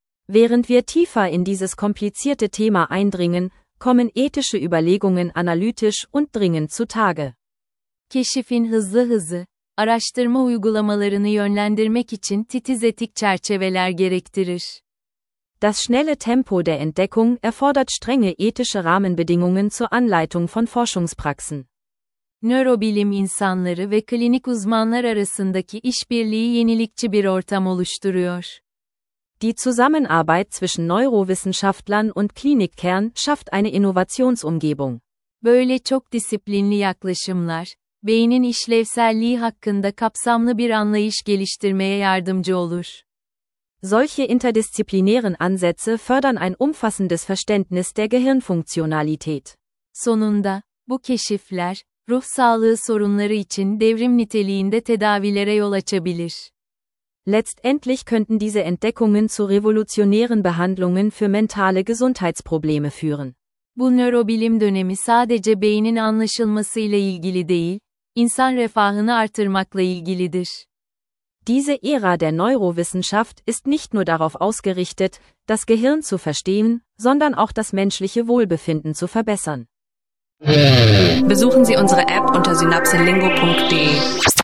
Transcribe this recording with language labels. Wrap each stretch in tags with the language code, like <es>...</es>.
<de>Während wir tiefer in dieses komplizierte Thema eindringen, kommen ethische Überlegungen analytisch und dringend zutage.</de> <tr>Keşifin hızlı hızı, araştırma uygulamalarını yönlendirmek için titiz etik çerçeveler gerektirir.</tr> <de>Das schnelle Tempo der Entdeckung erfordert strenge ethische Rahmenbedingungen zur Anleitung von Forschungspraxen.</de> <tr>Nörobilim insanları ve klinik uzmanlar arasındaki işbirliği yenilikçi bir ortam oluşturuyor.</tr> <de>Die Zusammenarbeit zwischen Neurowissenschaftlern und Klinikern schafft eine Innovationsumgebung.</de> <tr>Böyle çok disiplinli yaklaşımlar, beynin işlevselliği hakkında kapsamlı bir anlayış geliştirmeye yardımcı olur.</tr> <de>Solche interdisziplinären Ansätze fördern ein umfassendes Verständnis der Gehirnfunktionalität.</de> <tr>Sonunda, bu keşifler, ruh sağlığı sorunları için devrim niteliğinde tedavilere yol açabilir.</tr> <de>Letztendlich könnten diese Entdeckungen zu revolutionären Behandlungen für mentale Gesundheitsprobleme führen.</de> <tr>Bu nörobilim dönemi sadece beynin anlaşılmasıyla ilgili değil, insan refahını artırmakla ilgilidir.</tr> <de>Diese Ära der Neurowissenschaft ist nicht nur darauf ausgerichtet, das Gehirn zu verstehen, sondern auch das menschliche Wohlbefinden zu verbessern. Besuchen Sie unsere App unter synapsenlingo.de.</de>